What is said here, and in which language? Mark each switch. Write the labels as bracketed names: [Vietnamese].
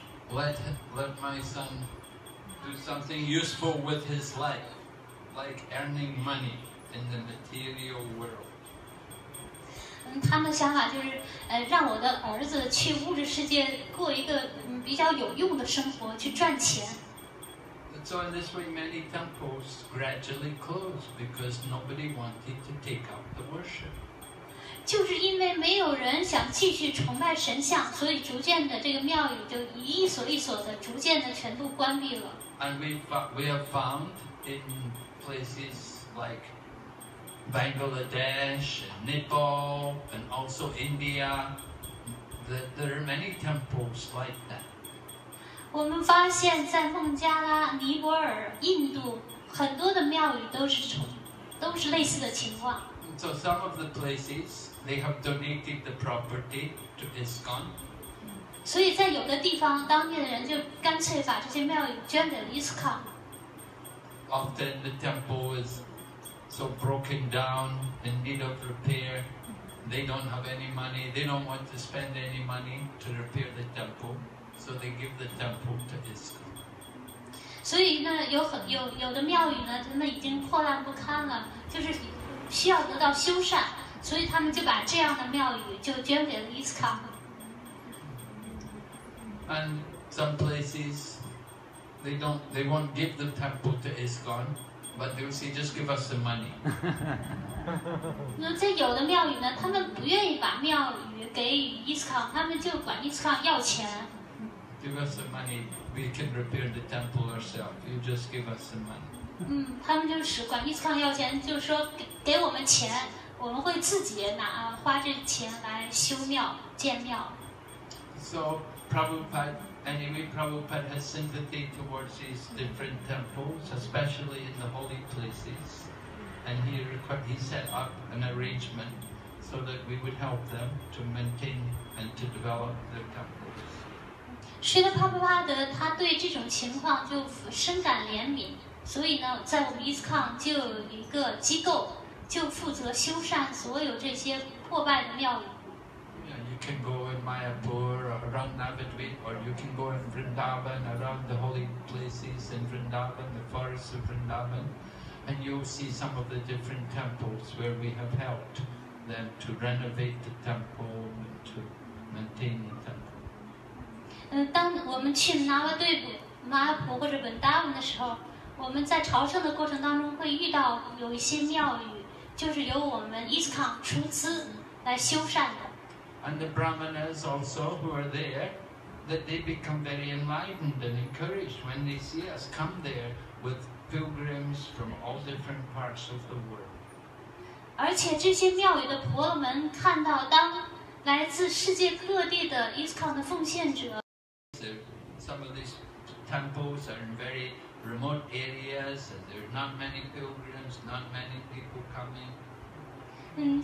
[English] Let my son do something useful with his life, like earning money in the material world. [Chinese] 他们的想法就是，让我的儿子去物质世界过一个比较有用的生活，去赚钱。 [English] The And so in this way, many temples gradually closed because nobody wanted to take up the worship. [Chinese] 就是因为没有人想继续崇拜神像，所以逐渐的这个庙宇就一所一所的逐渐的全部关闭了。 [English] And we have found in places like Bangladesh and Nepal and also India that there are many temples like that. [Chinese] 我们发现在孟加拉、尼泊尔、印度很多的庙宇都是类似的情况。 [English] So some of the places they have donated the property to ISKCON. [Chinese] 所以在有的地方，当地的人就干脆把这些庙宇捐给了 ISKCON。 [English] Often the temple is so broken down in need of repair. They don't have any money. They don't want to spend any money to repair the temple, so they give the temple to ISKCON. [Chinese] 所以呢，有的庙宇呢，他们已经破烂不堪了，就是需要得到修缮，所以他们就把这样的庙宇就捐给了 ISKCON。 [English] And some places they won't give the temple to ISKCON, but they will say just give us some money. [Chinese] 那在有的庙宇呢，他们不愿意把庙宇给予 ISKCON, 他们就管 ISKCON 要钱。 [English] Give us some money, we can repair the temple ourselves. You just give us some money. [Chinese] 他们就是管 ISKCON 要钱，就是说给我们钱，我们会自己拿花这钱来修庙、建庙。 [English] So Prabhupada has sympathy towards these different temples, especially in the holy places, and he set up an arrangement so that we would help them to maintain and to develop their temples. [Chinese] 施特帕帕帕德他对这种情况就深感怜悯，所以呢，在我们 ISKCON 就有一个机构，就负责修缮所有这些破败的庙宇。 [English] Yeah, you can go in Mayapur or around Navadvip, or you can go in Vrindavan, around the holy places in Vrindavan, the forests of Vrindavan, and you'll see some of the different temples where we have helped them to renovate the temple and to maintain the temple. [Chinese] 当我们去拿瓦对布、马阿婆或者本达文的时候，我们在朝圣的过程当中会遇到有一些庙宇，就是由我们 ISKCON 出资来修缮的。 [English] And the Brahmanas also who are there, that they become very enlightened and encouraged when they see us come there with pilgrims from all different parts of the world. [Chinese] 而且这些庙宇的婆罗门看到当来自世界各地的 ISKCON 的奉献者。 [English] Some of these temples are in very remote areas, and there are not many pilgrims, not many people coming.